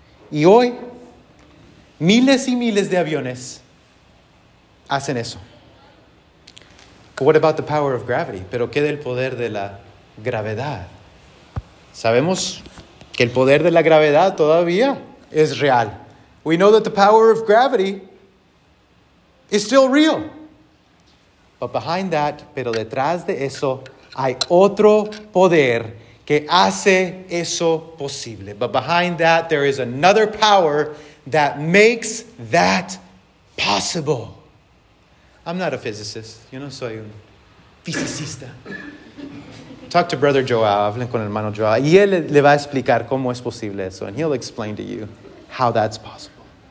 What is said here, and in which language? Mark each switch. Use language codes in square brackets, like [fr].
[es] Y hoy, miles y miles de aviones hacen eso. [en] What about the power of gravity? [es] Pero ¿qué del poder de la gravedad? Sabemos que el poder de la gravedad todavía es real. [en] We know that the power of gravity is still real. But behind that, [es] pero detrás de eso, hay otro poder que hace eso posible. [en] But behind that, there is another power that makes that possible. I'm not a physicist. [es] Yo no soy un fisicista. [en] Talk to Brother Joao. [es] Hablen con el hermano Joao. Y él le va a explicar cómo es posible eso. [en] And he'll explain to you how that's possible.